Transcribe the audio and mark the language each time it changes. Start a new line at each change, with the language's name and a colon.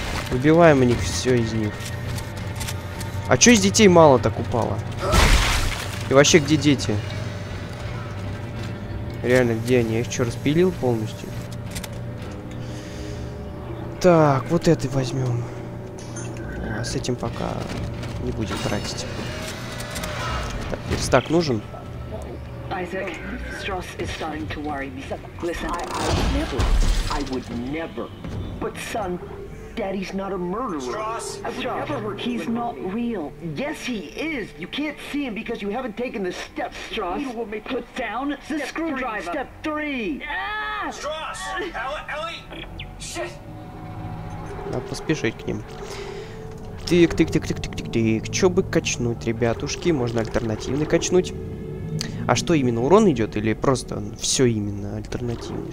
Russian: Выбиваем у них все из них. А чё из детей мало так упало? И вообще, где дети? Реально, где они? Я их чё, распилил полностью? Так, вот это возьмем. А с этим пока не будем тратить. Так, верстак нужен?
English: Isaac, Strauss is starting to worry me. Listen, I would never. But son, Daddy's not a murderer. Strauss, he's not real. Yes, he is. You can't see him because you haven't taken the steps, Strauss. You will make put down the screwdriver. Step three. Strauss, Ellie, shit.
Russian: Надо поспешить к ним. Тык-тык-тык-тык-тык-тык-тык. Чё бы качнуть, ребятушки? Можно альтернативный качнуть. А что именно, урон идет или просто все именно альтернативный?